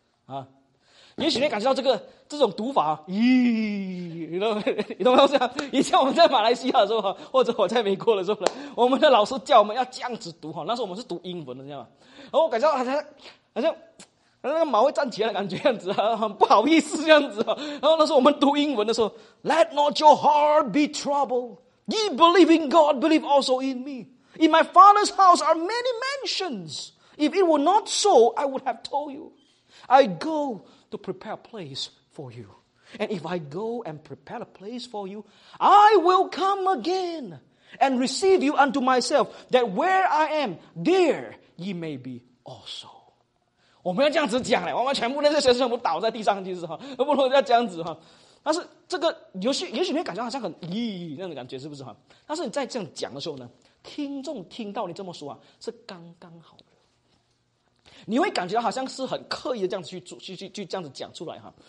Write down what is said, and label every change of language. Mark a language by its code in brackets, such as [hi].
[zh] 啊，也许你感觉到这种读法，咦，你懂吗？这样以前我们在马来西亚的时候，或者我在美国的时候，我们的老师叫我们要这样子读哈。那时候我们是读英文的，这样，然后我感觉到好像那个毛会站起来的感觉这样子，很不好意思这样子。然后那时候我们读英文的时候 ， [en] Let not your heart be troubled. Ye believe in God, believe also in me. In my father's house are many mansions. If it were not so, I would have told you. I go to prepare a place for you. And if I go and prepare a place for you, I will come again and receive you unto myself, that where I am, there ye may be also. [zh] 我们要这样子讲嘞，我们全部那些学生全部倒在地上，其实哈，都不能要这样子哈。但是这个也许你感觉好像很咦那种感觉，是不是哈？但是你在这样讲的时候呢？听众听到你这么说啊，是刚刚好的。你会感觉到好像是很刻意的这样子去这样子讲出来哈。